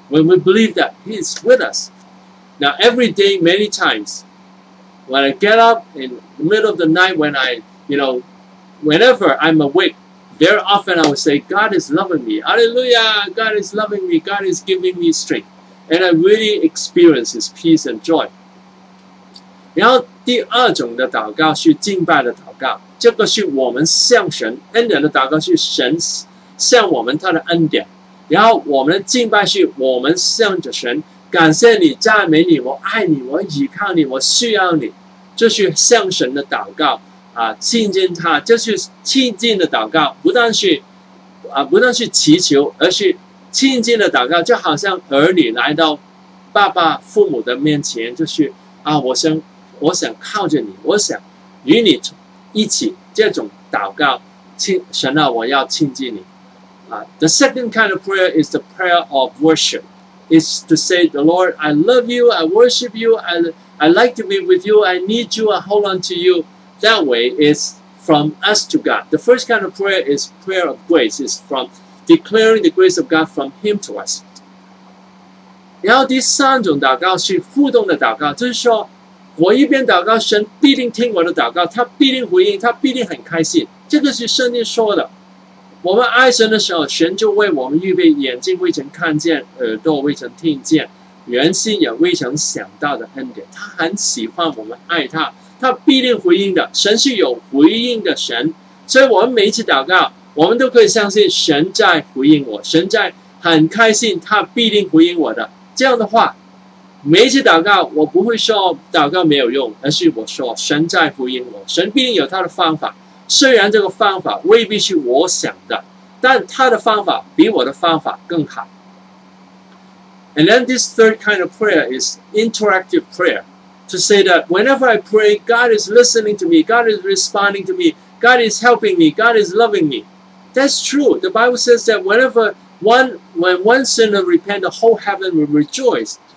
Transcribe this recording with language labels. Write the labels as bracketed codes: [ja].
[en] When we believe that He is with us. Now every day, many times, when I get up in the middle of the night, when I, you know, whenever I'm awake, very often I would say, God is loving me. Hallelujah! God is loving me. God is giving me strength. And I really experience His peace and joy. [zh] 然后第二种的祷告是敬拜的祷告。这个是我们向神，恩典的祷告是神向我们他的恩典。然后我们的敬拜是我们向着神感谢你赞美你，我爱你，我依靠你，我需要你，这是向神的祷告啊，亲近他，这是亲近的祷告，不但是啊，不但是祈求，而是亲近的祷告，就好像儿女来到爸爸父母的面前，就是啊，我想靠着你，我想与你一起，这种祷告，神啊，我要亲近你啊。 [en] The second kind of prayer is the prayer of worship. It's to say, the Lord, I love you, I worship you, I like to be with you, I need you, I hold on to you. That way is from us to God. The first kind of prayer is prayer of grace. It's from declaring the grace of God from Him to us. [zh] 然后第三种祷告是互动的祷告，就是说我一边祷告，神必定听我的祷告，他必定回应，他必定很开心。这个是圣经说的，我们爱神的时候，神就为我们预备眼睛未曾看见，耳朵未曾听见，原心也未曾想到的恩典，他很喜欢我们爱他，他必定回应的。神是有回应的神，所以我们每一次祷告，我们都可以相信神在回应我，神在很开心，他必定回应我的。这样的话，每一次祷告，我不会说祷告没有用，而是我说神在回应我，神必定有他的方法，虽然这个方法未必是我想的，但他的方法比我的方法更好。 [en] And then this third kind of prayer is interactive prayer, to say that whenever I pray, God is listening to me, God is responding to me, God is helping me, God is loving me. That's true. The Bible says that when one sinner repents, the whole heaven will rejoice.